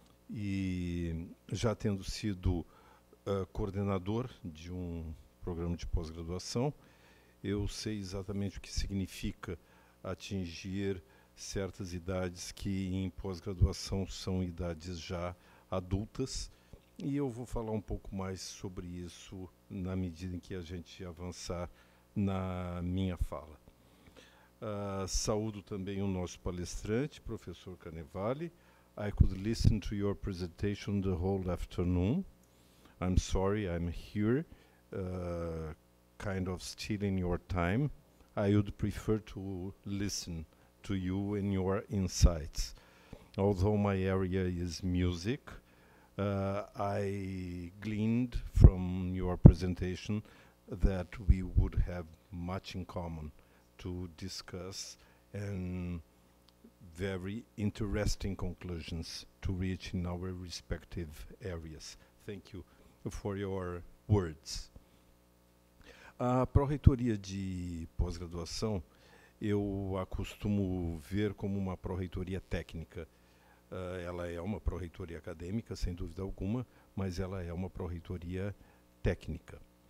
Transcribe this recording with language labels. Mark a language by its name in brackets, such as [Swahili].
[Portuguese] E, já tendo sido coordenador de um programa de pós-graduação, eu sei exatamente o que significa atingir certas idades que em pós-graduação são idades já adultas, e eu vou falar um pouco mais sobre isso na medida em que a gente avançar na minha fala. Saúdo também o nosso palestrante, professor Canevale. [English] I could listen to your presentation the whole afternoon. I'm sorry I'm here, kind of stealing your time. I would prefer to listen to you and your insights. Although my area is music, I gleaned from your presentation that we would have much in common to discuss and very interesting conclusions to reach in our respective areas. Thank you for your words. [Portuguese] A pró-reitoria de pós-graduação eu acostumo ver como uma pró-reitoria técnica. Ela é uma pró-reitoria acadêmica, sem dúvida alguma, mas ela é uma pró-reitoria técnica.